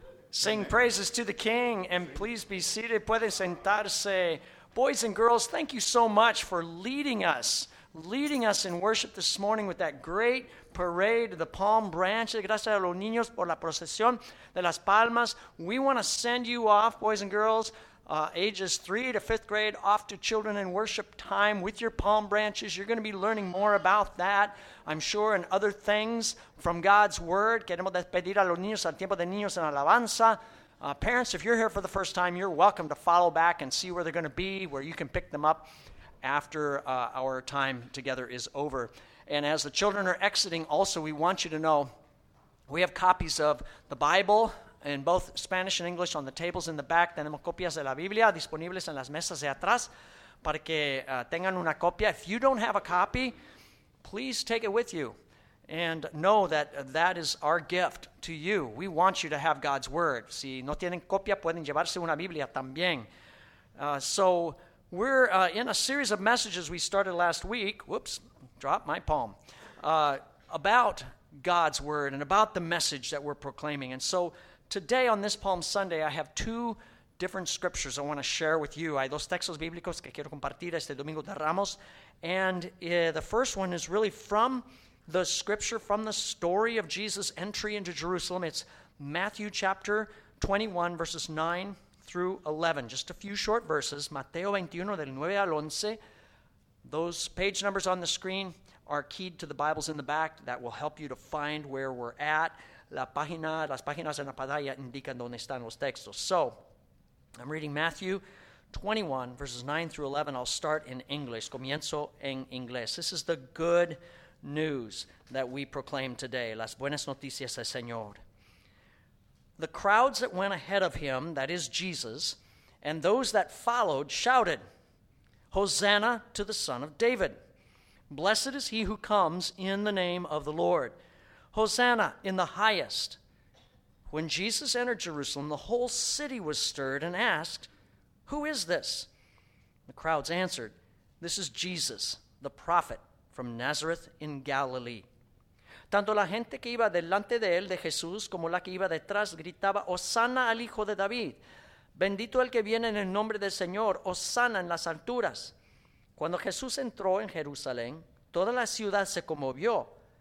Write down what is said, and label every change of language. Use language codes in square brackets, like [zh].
[en] Sing praises to the King, and please be seated. [es] Pueden sentarse. [en] Boys and girls, thank you so much for leading us in worship this morning with that great parade of the palm branches. [es] Gracias a los niños por la procesión de las palmas. [en] We want to send you off, boys and girls, ages 3 to 5th grade, off to children and worship time with your palm branches. You're going to be learning more about that, I'm sure, and other things from God's Word. [es] Queremos despedir a los niños al tiempo de niños en alabanza. [en] Parents, if you're here for the first time, you're welcome to follow back and see where they're going to be, where you can pick them up after our time together is over. And as the children are exiting, also, we want you to know we have copies of the Bible in both Spanish and English on the tables in the back. [es] Tenemos copias de la Biblia disponibles en las mesas de atrás para que tengan una copia. [en] If you don't have a copy, please take it with you. And know that that is our gift to you. We want you to have God's Word. [es] Si no tienen copia, pueden llevarse una Biblia también. [en] So we're in a series of messages we started last week. Whoops, dropped my palm. About God's Word and about the message that we're proclaiming. And so today on this Palm Sunday, I have two different scriptures I want to share with you. [es] Hay dos textos bíblicos que quiero compartir este Domingo de Ramos. [en] And the first one is really from the scripture, from the story of Jesus' entry into Jerusalem. It's Matthew chapter 21, verses 9 through 11. Just a few short verses. [es] Mateo 21, del 9 al 11. [en] Those page numbers on the screen are keyed to the Bibles in the back that will help you to find where we're at. [es] Las páginas en la pantalla indican donde están los textos. [en] So, I'm reading Matthew 21, verses 9 through 11. I'll start in English. [es] Comienzo en inglés. [en] This is the good news that we proclaim today. [es] Las buenas noticias del Señor. [en] The crowds that went ahead of him, that is Jesus, and those that followed shouted, "Hosanna to the Son of David. Blessed is he who comes in the name of the Lord. Hosanna in the highest." When Jesus entered Jerusalem, the whole city was stirred and asked, "Who is this?" The crowds answered, "This is Jesus, the prophet from Nazareth in Galilee." [es] Tanto la gente que iba delante de él, de Jesús, como la que iba detrás, gritaba, "Hosanna al Hijo de David. Bendito el que viene en el nombre del Señor. Hosanna en las alturas." Cuando Jesús entró en Jerusalén, toda la ciudad se conmovió.